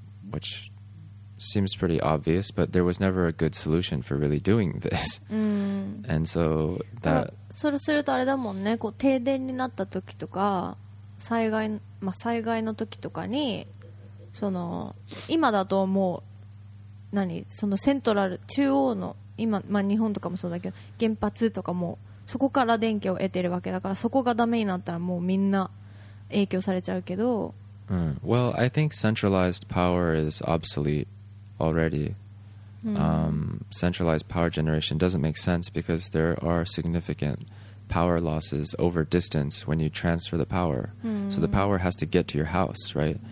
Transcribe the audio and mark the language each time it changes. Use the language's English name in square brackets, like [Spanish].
[English] which seems pretty obvious, but there was never a good solution for really doing this. And so that... [Japanese] それするとあれだもんね。こう停電になった時とか、災害、まあ災害の時とかに、その、今だともう、何、そのセントラル、中央の、今、まあ日本とかもそうだけど、原発とかも、そこから電気を得てるわけだから、そこがダメになったらもうみんな影響されちゃうけど、 [English] Well, I think centralized power is obsolete already. Centralized power generation doesn't make sense because there are significant power losses over distance when you transfer the power. So the power has to get to your house, right?